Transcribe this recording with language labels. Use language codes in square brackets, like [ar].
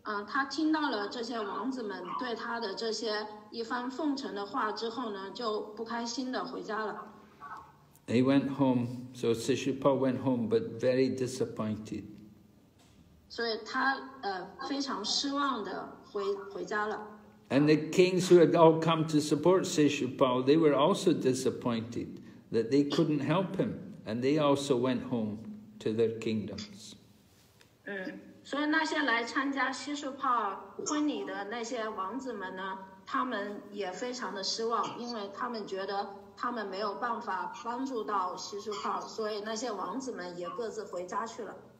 [zh] 他听到了这些王子们对他的这些一番奉承的话之后呢，就不开心的回家了。 [en] He went home. So Shishupal went home, but very disappointed. [zh] 所以他非常失望的回家了。 [en] And the kings who had all come to support Shishupal, they were also disappointed that they couldn't help him, and they also went home to their kingdoms. [zh] 所以那些来参加西什泡婚礼的那些王子们呢，他们也非常的失望，因为他们觉得他们没有办法帮助到西什泡，所以那些王子们也各自回家去了。